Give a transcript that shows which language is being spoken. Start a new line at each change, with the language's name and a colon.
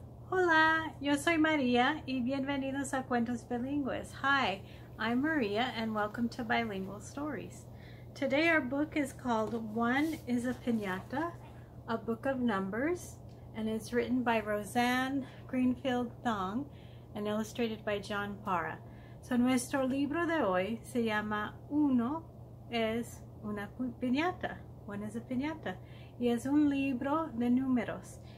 Spanish: Hola, yo soy María y bienvenidos a Cuentos Bilingües.
English: Hi, I'm Maria and welcome to Bilingual Stories. Today our book is called One is a Pinata, a Book of Numbers, and it's written by Roseanne Greenfield Thong and illustrated by John Parra.
Spanish: So nuestro libro de hoy se llama Uno es una Pinata, One is a Pinata, y es un libro de números.